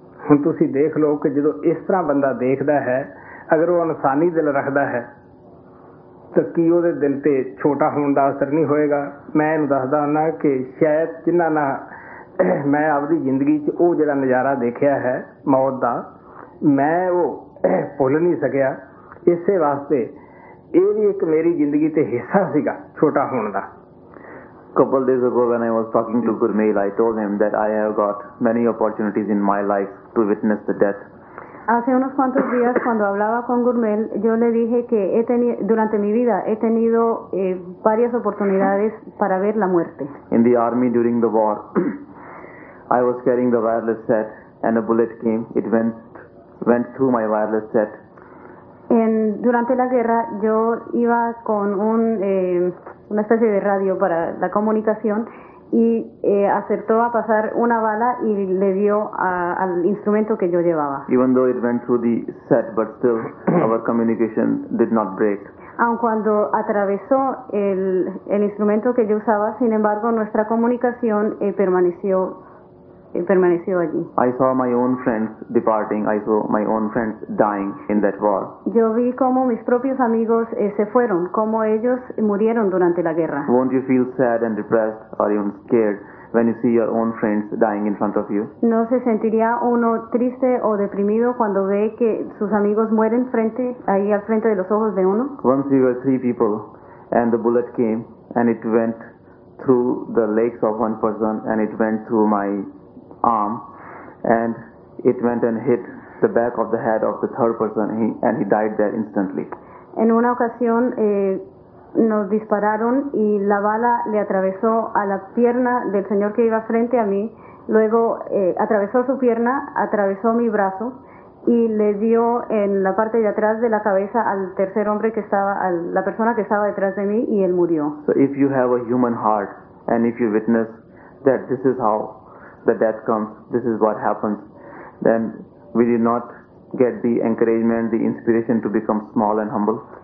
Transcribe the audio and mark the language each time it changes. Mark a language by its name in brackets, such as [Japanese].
[Punjabi] ਹੁਣ ਤੁਸੀਂ ਦੇਖ ਲਓ ਕਿ ਜਦੋਂ ਇਸ ਤਰ੍ਹਾਂ ਬੰਦਾ ਦੇਖਦਾ ਹੈ ਅਗਰ ਉਹ ਇਨਸਾਨੀ ਦਿਲ ਰੱਖਦਾ ਹੈ ਤਾਂ ਕੀ ਉਹਦੇ ਦਿਲ 'ਤੇ ਛੋਟਾ ਹੋਣ ਦਾ ਅਸਰ ਨਹੀਂ ਹੋਏਗਾ ਮੈਂ ਇਹਨੂੰ ਦੱਸਦਾ ਹੁੰਦਾ ਕਿ ਸ਼ਾਇਦ ਜਿਹਨਾਂ ਨਾਲ ਮੈਂ ਆਪਦੀ ਜ਼ਿੰਦਗੀ 'ਚ ਉਹ ਜਿਹੜਾ ਨਜ਼ਾਰਾ ਦੇਖਿਆ ਹੈ ਮੌਤ ਦਾ ਮੈਂ ਉਹ ਭੁੱਲ ਨਹੀਂ ਸਕਿਆ ਇਸੇ ਵਾਸਤੇ ਇਹ ਵੀ ਇੱਕ ਮੇਰੀ ਜ਼ਿੰਦਗੀ 'ਤੇ ਹਿੱਸਾ ਸੀਗਾ ਛੋਟਾ ਹੋਣ ਦਾ [English] couple days ago when I was talking to Gurmel I told him that I have got many opportunities in my life to witness the death [Spanish] Hace unos cuantos días, cuando hablaba con Gurmel, yo le dije que durante mi vida he tenido varias oportunidades para ver la muerte. [English] In the army during the war, I was carrying the wireless set and a bullet came. It went through my wireless set. [Spanish] Durante la guerra, yo iba con un una especie de radio para la comunicación y acertó a pasar una bala y le dio al instrumento que yo llevaba. [English] Even though it went through the set, but still our communication did not break. [Spanish] Aun cuando atravesó el instrumento que yo usaba, sin embargo, nuestra comunicación permaneció allí. [English] I saw my own friends departing. I saw my own friends dying in that war. [Spanish] Yo vi cómo mis propios amigos se fueron, cómo ellos murieron durante la guerra. [English] Won't you feel sad and depressed or even scared when you see your own friends dying in front of you? [Spanish] ¿No se sentiría uno triste o deprimido cuando ve que sus amigos mueren ahí al frente de los ojos de uno? [English] Once we were three people and the bullet came and it went through the legs of one person and it went through my arm and it went and hit the back of the head of the third person and he died there instantly. [Spanish] En una ocasión nos dispararon y la bala le atravesó a la pierna del señor que iba frente a mí, luego atravesó su pierna, atravesó mi brazo y le dio en la parte de atrás de la cabeza al tercer hombre que estaba, a la persona que estaba detrás de mí, y él murió. [English] So if you have a human heart and if you witness that this is how the death comes, this is what happens, then we did not get the encouragement, the inspiration to become small and humble.